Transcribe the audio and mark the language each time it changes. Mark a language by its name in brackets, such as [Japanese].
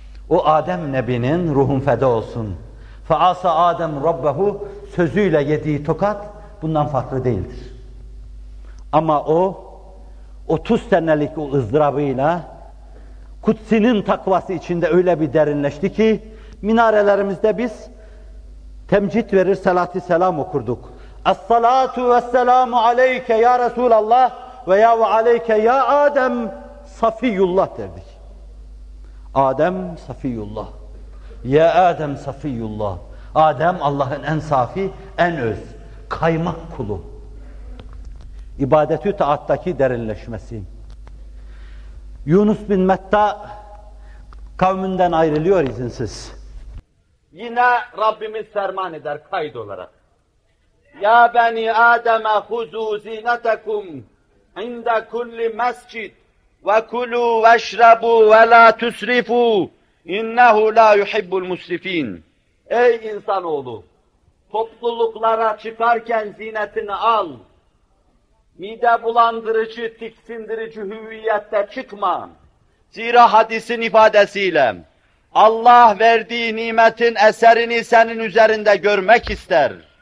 [Turkish] O Adem Nebi'nin ruhun feda olsun. [Arabic] فَعَاسَ [Turkish] Adem [Arabic] رَبَّهُ [Turkish] sözüyle yediği tokat bundan farklı değildir. Ama o 30 senelik o ızdırabıyla Kutsi'nin takvası içinde öyle bir derinleşti ki minarelerimizde biz temcit verir salati selam okurduk. [Arabic] اَسْسَلَاتُ وَسْسَلَامُ عَلَيْكَ يَا رَسُولَ اللّٰهِ وَيَا وَعَلَيْكَ يَا آدَمْ صَفِيُّ [Turkish] derdik. Adem Safiyullah. Ya Adem Safiyullah. Adem Allah'ın en safi, en öz, kaymak kulu. İbadeti taattaki derinleşmesi. Yunus bin Metta kavminden ayrılıyor izinsiz. Yine Rabbimiz ferman eder kayıt olarak. [Arabic] Ya beni Adem'e huzû zînetekum inde kulli mescid ve kulû veşrebû ve lâ tüsrifû. اِنَّهُ لَا يُحِبُّ الْمُسْرِف۪ينَ [Turkish] Ey insanoğlu! Topluluklara çıkarken zinetini al! Mide bulandırıcı, tiksindirici hüviyette çıkma! Zira hadisin ifadesiyle Allah verdiği nimetin eserini senin üzerinde görmek ister.